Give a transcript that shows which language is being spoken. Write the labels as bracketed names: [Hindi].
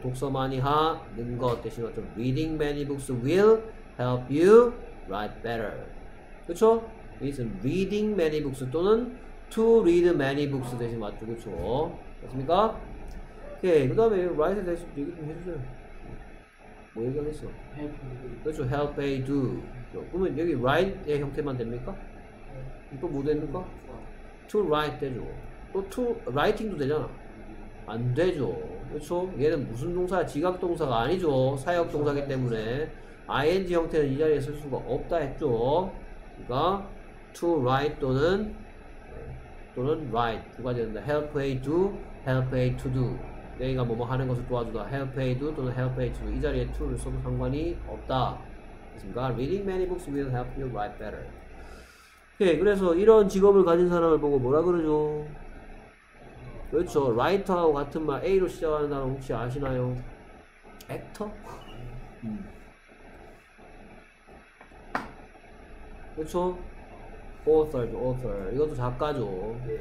[Korean] 독서 많이 하는것 대신 맞죠. [English] reading many books will help you write better. [Korean] 그렇죠. [English] is reading many books [Korean] 또는 [English] to read many books [Korean] 대신 맞죠. 그렇죠. 맞습니까? 오케이. 그다음에 write에 대해서 얘기 좀 해주세요. 뭐 얘기하겠어? 그렇죠. [English] help a do. [Korean] 그러면 여기 write의 형태만 됩니까? 또뭐 됩니까? to write 되죠. 또 to writing도 되잖아. 안 되죠. 그렇죠? 얘는 무슨 동사야? 지각 동사가 아니죠. 사역 동사기 때문에 ing 형태는 이 자리에 쓸 수가 없다 했죠. 그러니까 to write 또는 write 두 가지 된다. [English] help a do, help a to do. [Korean] 얘가 뭐뭐 하는 것을 도와주다. [English] help a do [Korean] 또는 [English] help a to do. [Korean] 이 자리에 to를 써도 상관이 없다. 그렇습니까? [English] reading many books will help you write better. [Korean] 네, 그래서 이런 직업을 가진 사람을 보고 뭐라 그러죠? 그렇죠. 라이터하고 같은 말 A로 시작하는 사람 혹시 아시나요? 액터? 그렇죠. author죠, author. 이것도 작가죠.